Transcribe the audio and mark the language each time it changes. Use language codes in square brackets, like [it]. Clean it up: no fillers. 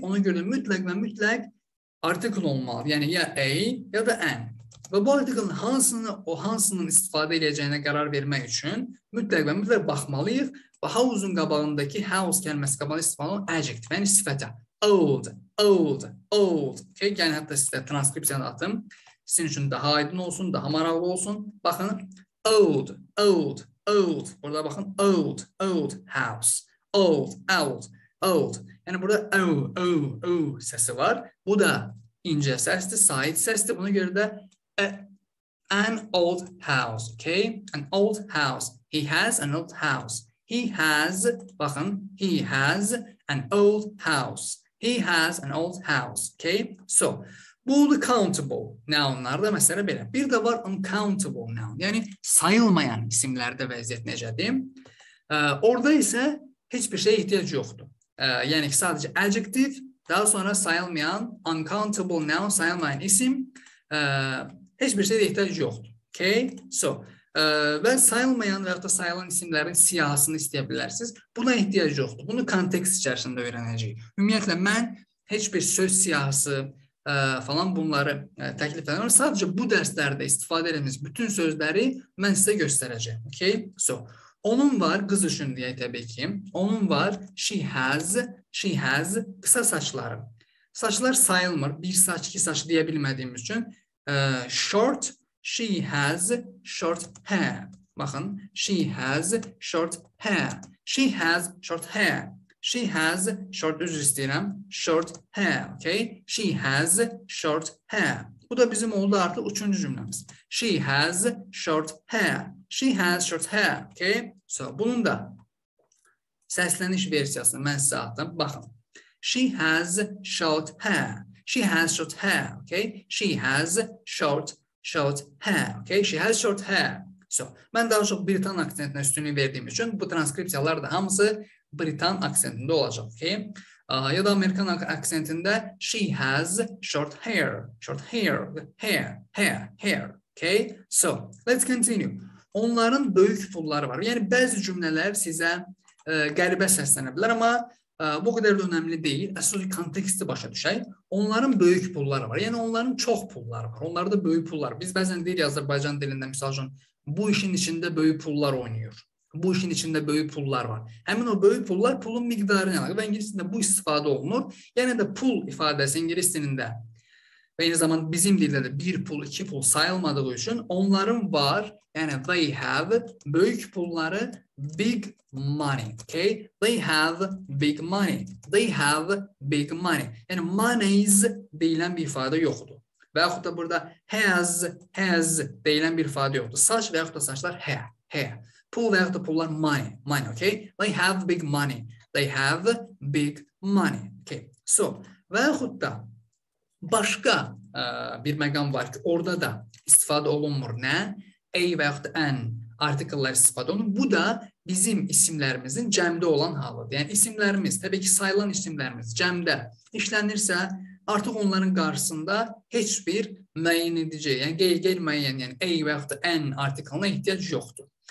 [az] Ona görə mütləq və mütləq artikl olmalı. Yəni ya a ya da an. Və bu artiklin hansını, o hansının istifadə edəcəyinə qərar vermək üçün mütləq və mütləq baxmalıyıq. Və house-un qabağındakı house kəlməsi qabağında istifadə olunan adjective, yəni sifətə. Old, old, old. Okay, yəni hətta sizə transkripsiyanı atım. Sizin üçün daha aydın olsun, daha maraqlı olsun. Baxın, [en] old, old, old. [az] Burada baxın, [en] old, old house. Old, old, old. [az] Yəni burada o, o, o səsi var. Bu da incə səsdir, sait səsdir. [en] Buna görə də an old house, okay? An old house. He has an old house. He has, [az] baxın, [en] he has an old house. He has an old house, okay? [az] So, bu da countable nounlarda məsələ belə. Bir də var uncountable noun. Yəni sayılmayan isimlərdə vəziyyət necədir? Orada isə heç bir şeyə ehtiyac yoxdur. Yəni ki, sadəcə adjective, daha sonra sayılmayan, uncountable noun, sayılmayan isim, heç bir şeyə ehtiyac yoxdur. Okay? So, və sayılmayan və yaxud da sayılan isimlərin siyahısını istəyə bilərsiniz. Buna ehtiyac yoxdur. Bunu kontekst içərisində öyrənəcəyik. Ümumiyyətlə, mən heç bir söz siyahısı falan bunları təklif edəmirəm. Sadəcə bu dərslərdə istifadə edəmiz bütün sözləri mən sizə göstərəcəyim. Okay? So, onun var, qız üçün deyək təbii ki, onun var, [en] she has [az] qısa saçları. Saçlar sayılmır, bir saç, iki saç deyə bilmədiyim üçün. [en] Short, she has short hair. Baxın, she has short hair. She has short hair. She has short, [az] üzr istəyirəm, [en] short hair, okay? She has short hair. [az] Bu da bizim oldu artıq üçüncü cümləmiz. [en] She has short hair. She has short hair, okay? [az] So, bunun da səsləniş versiyasını mən sizə atdım. [en] Baxın. She has short hair. She has short hair, okay? She has short hair, okay? She has short hair. [az] So, mən daha çox Britan aksentinə üstünlük verdiyim üçün bu transkripsiyalar da hamısı Britan aksentində olacaq, okay? Ya da Amerikan aksentində [en] she has short hair, short hair, hair, hair, hair, okay? So, let's continue. [az] Onların böyük pulları var. Yəni, bəzi cümlələr sizə qəribə səslənə bilər, amma bu qədər də önəmli deyil. Əsas konteksti başa düşək. Onların böyük pulları var. Yəni, onların çox pulları var. Onlarda böyük pullar. Biz bəzən deyirik Azərbaycan dilində, misal üçün, bu işin içində böyük pullar oynayır. Bu işin içində böyük pullar var. Həmin o böyük pullar pulun miqdarı ilə və ingilis dilində bu istifadə olunur. Yəni də pul ifadəsi ingilis dilində və eyni zamanda bizim dildə də bir pul, iki pul sayılmadığı üçün onların var, yəni [en] they have [az] böyük pulları, big money. Okay? [en] They have big money. They have big money. [az] Yəni money's deyilən bir ifadə yoxdur. Və yaxud da burada has deyilən bir ifadə yoxdur. Saç və yaxud da saçlar hair. Pul və yaxud da pullar money, okay? [en] They have big money. They have big money, okay? [az] So, və yaxud da başqa bir məqam var ki, orada da istifadə olunmur nə? A və yaxud da an artikllar istifadə olunur. Bu da bizim isimlərimizin cəmdə olan halıdır. Yəni, isimlərimiz, təbii ki, sayılan isimlərimiz cəmdə işlənirsə, artıq onların qarşısında heç bir müəyyən edici, yəni qeyr müəyyən, yəni A və yaxud da an artiklına ehtiyac yoxdur.